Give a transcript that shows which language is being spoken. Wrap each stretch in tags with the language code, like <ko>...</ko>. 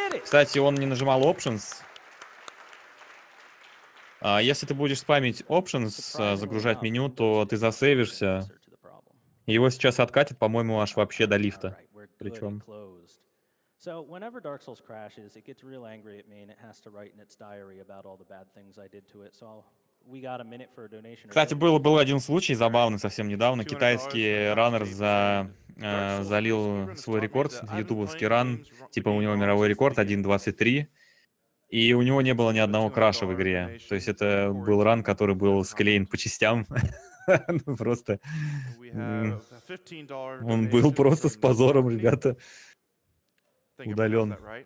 <ru>Кстати, он не нажимал options. Если ты будешь спамить options, загружать меню, то ты засейвишься. Его сейчас откатит, по-моему, аж вообще до лифта. Причем...</ru> <en>So whenever Dark Souls crashes, it gets real angry at me and it has to write in its diary about all the bad things I did to it. So we got a minute for a donation.</en> <ru>Кстати, был один случай забавный совсем недавно. Китайский раннер залил свой рекорд, ютубовский ран, типа у него мировой рекорд 1.23, и у него не было ни одного краша в игре. То есть это был ран, который был склеен по частям. Просто он был просто с позором, ребята. Удален.</ru>